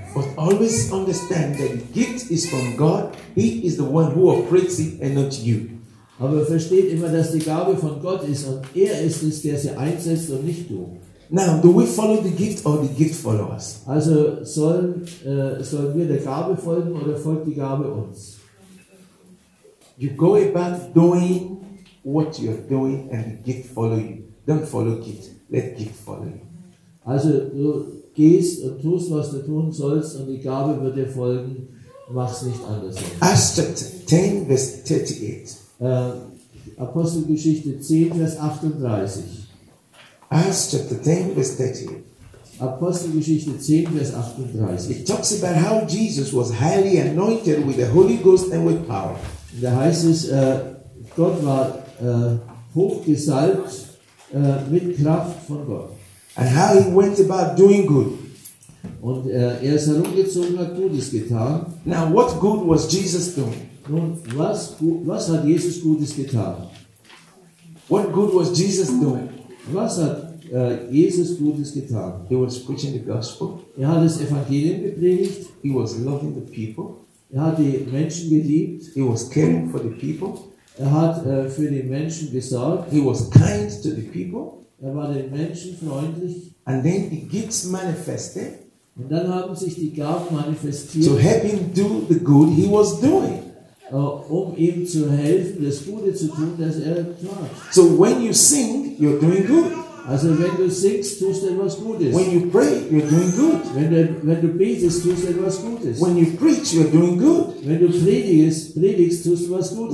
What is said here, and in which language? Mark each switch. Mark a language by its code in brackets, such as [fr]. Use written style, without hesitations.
[en] But always understand that the gift is from God. He is the one who operates it and not you. [de] Aber versteht immer, dass die Gabe von Gott ist und er ist es, der sie einsetzt und nicht du. [en] Now, do we follow the gift or the gift follow us? [de] Also sollen wir der Gabe folgen oder folgt die Gabe uns? [en] You go about doing what you are doing and the gift follow you. Don't follow gift. Let gift follow you. [de] Also du gehst und tust, was du tun sollst und die Gabe wird dir folgen. Mach's nicht anders. [en] Acts chapter 10, verse 38. [de] Apostelgeschichte 10, Vers 38. [en] Acts chapter 10, verse 38. [de] Apostelgeschichte 10, Vers 38. [en] It talks about how Jesus was highly anointed with the Holy Ghost and with power. [de] Da heißt es, Gott war hochgesalbt mit Kraft von Gott. [en] And how he went about doing good. [de] Und er ist herumgezogen und hat Gutes getan. [en] Now, what good was Jesus doing? [de] Nun, was hat Jesus Gutes getan? [en] What good was Jesus doing? [de] Was hat Jesus Gutes getan? [en] He was preaching the gospel. [de] Er hat das Evangelium gepredigt. [en] He was loving the people. [de] Er hat die Menschen geliebt. [en] He was caring for the people. [de] Er hat für die Menschen gesorgt. [en] He was kind to the people. [de] Er war den Menschen freundlich. [en] And then the gifts manifested. [de] Und dann haben sich die Gaben manifestiert. [en] To help him do the good he was doing. [de] Um ihm zu helfen, das Gute zu tun, das er tat. [en] So when you sing, you're doing good. [de] Also wenn du singst, tust du etwas Gutes. [en] When you pray, you're doing good. [de] Wenn du betest, tust du etwas Gutes. [en] When you preach, you're doing good. [de] Wenn du predigst, tust du was Gutes.